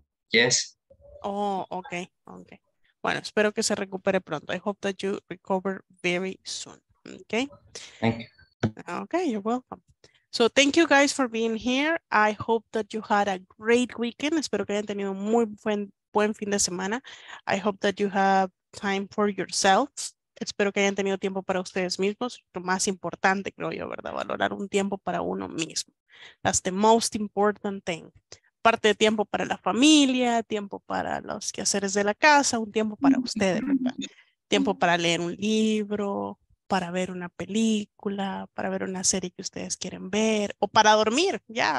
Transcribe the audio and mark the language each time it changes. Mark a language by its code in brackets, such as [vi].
[en] Yes. Oh, okay, okay. [es] Bueno, espero que se recupere pronto. [en] I hope that you recover very soon, okay? Thank you. Okay, you're welcome. So thank you guys for being here. I hope that you had a great weekend. [es] Espero que hayan tenido un muy buen fin de semana. [en] I hope that you have time for yourselves. [es] Espero que hayan tenido tiempo para ustedes mismos. Lo más importante, creo yo, ¿verdad? Valorar un tiempo para uno mismo. [en] That's the most important thing. [es] Parte de tiempo para la familia, tiempo para los quehaceres de la casa, un tiempo para ustedes, ¿verdad? Tiempo para leer un libro, para ver una película, para ver una serie que ustedes quieren ver, o para dormir, ya.